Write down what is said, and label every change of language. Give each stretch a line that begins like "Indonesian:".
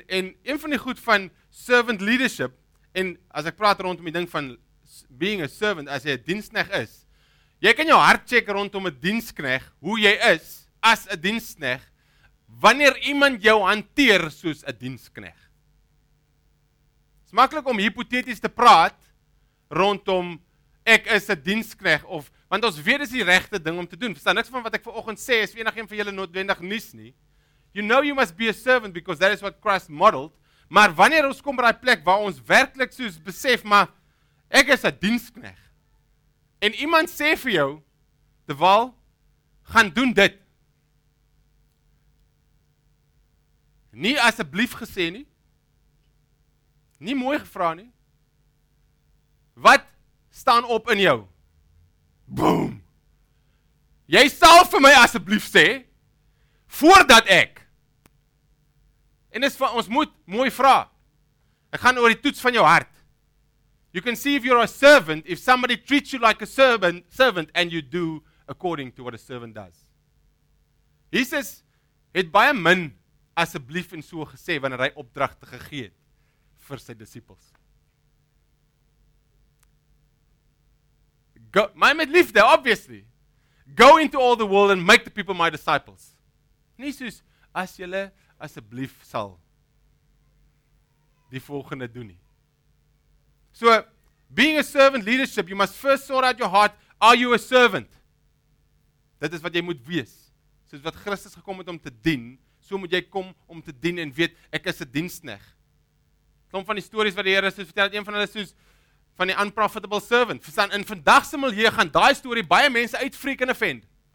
Afrikaans: En een van die goed van servant leadership, en as ek praat rondom die ding van
English: being a servant,
Afrikaans: as jy 'n diensknegt is, jy kan jou hart check rondom 'n diensknegt, hoe jy is as 'n diensknegt, wanneer iemand jou hanteer soos 'n diensknegt. Dit is maklik om hipoteties te praat rondom ek is 'n diensknegt, of want ons weet dis die regte ding om te doen. Verstaan, niks van wat ek vanoggend sê is enigiemand van julle noodwendig nuus nie.
English: You know you must be a servant because that is what Christ modeled.
Afrikaans: Maar wanneer ons kom by daai plek waar ons werklik soos besef, maar ek is 'n dienskneg. En iemand sê vir jou, Deval, gaan doen dit. Nie asseblief gesê nie. Nie mooi gevra nie. Wat staan op in jou? Boom! Jy sal vir my asseblief sê, voordat ek, en dis wat ons moet mooi vra, ek gaan oor die toets van jou hart.
English: You can see if you're a servant, if somebody treats you like a servant, and you do according to what a servant does.
Afrikaans: Jesus het baie min asseblief en so gesê, wanneer hy opdragte gegee het vir sy disciples. Go, my met liefde, obviously.
English: Go into all the world and make the people my disciples.
Afrikaans: Nie soos, as julle asseblief sal die volgende doen nie.
English: So, being a servant leadership, you must first sort out your heart. Are you a servant?
Afrikaans: Dit is wat jy moet wees. Soos wat Christus gekom het om te dien, so moet jy kom om te dien en weet, ek is 'n diensknegt. Klom van die stories wat die Here soos vertel het, een van hulle soos, van die unprofitable servant. Verstaan, in vandagse milieu gaan daai story baie mense uitfreak en offend.